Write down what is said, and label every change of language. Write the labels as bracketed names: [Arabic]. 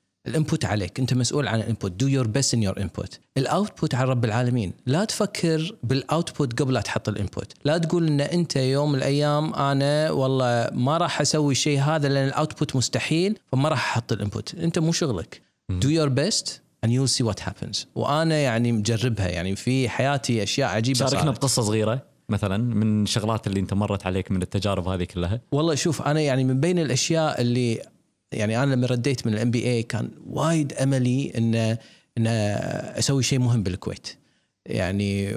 [Arabic] الإنبوت عليك أنت مسؤول عن الإنبوت. [English] do your best in your input. [Arabic] الأوتبوت على رب العالمين. لا تفكر بالأوتبوت قبل لا تحط الإنبوت. لا تقول إن أنت يوم الأيام أنا والله ما راح أسوي شيء هذا لأن الأوتبوت مستحيل فما راح أحط الإنبوت. أنت مو شغلك. [English] do your best and you'll see what happens. [Arabic] وأنا يعني مجربها يعني في حياتي أشياء عجيبة. شاركنا بقصة صغيرة مثلا من شغلات اللي أنت مرت عليك من التجارب هذه كلها. والله شوف أنا يعني من بين الأشياء اللي يعني أنا لما رديت من MBA كان وايد أملي إن أسوي شيء مهم بالكويت يعني.